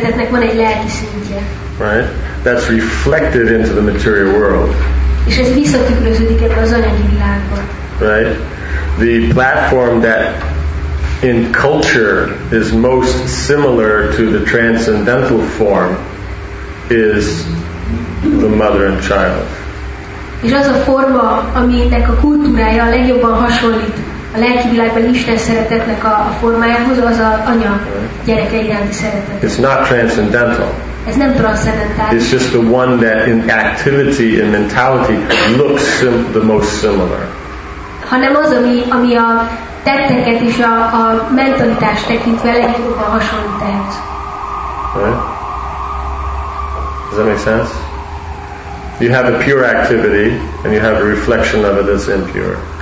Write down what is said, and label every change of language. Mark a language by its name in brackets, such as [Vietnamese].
[English] Right? That's reflected into the material world. Right? The platform that in culture is most similar to the transcendental form is the mother and child. [Hungarian] És az a forma, aminek a kultúrája a legjobban hasonlít a lelki világban Isten szeretetnek a formájához, az a anya gyereke iránti szeretet. [English] It's not transcendental. [Hungarian] Ez nem transzcendentális. [English] It's just the one that in activity and mentality looks the most similar. [Hungarian] Hanem az, ami a tetteket és a mentalitást tekintve a legjobban hasonlít ehhez. [English] Right? Does that make sense? You have a pure activity, and you have a reflection of it that's impure.